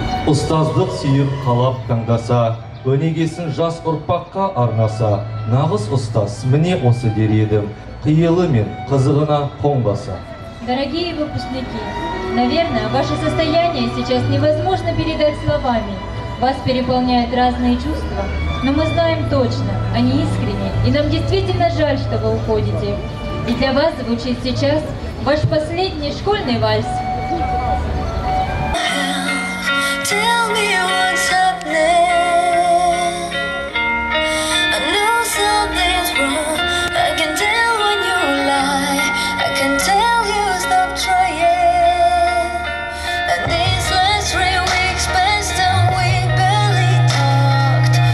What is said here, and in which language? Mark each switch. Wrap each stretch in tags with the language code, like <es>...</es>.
<kk>Ұстаздық сүйіп қалап таңдаса, өнегесін жас ұрпаққа арнаса, нағыз ұстаз міне осы дер едім, қиылы мен қызығына қонбаса.</kk> <ru>Дорогие выпускники, наверное, ваше состояние сейчас невозможно передать словами. Вас переполняют разные чувства, но мы знаем точно, они искренне, и нам действительно жаль, что вы уходите. И для вас звучит сейчас ваш последний школьный вальс.</ru> <en>Tell me what's happening. I know something's wrong. I can tell when you lie. I can tell you stop trying. And these last 3 weeks passed and we barely talked.</en>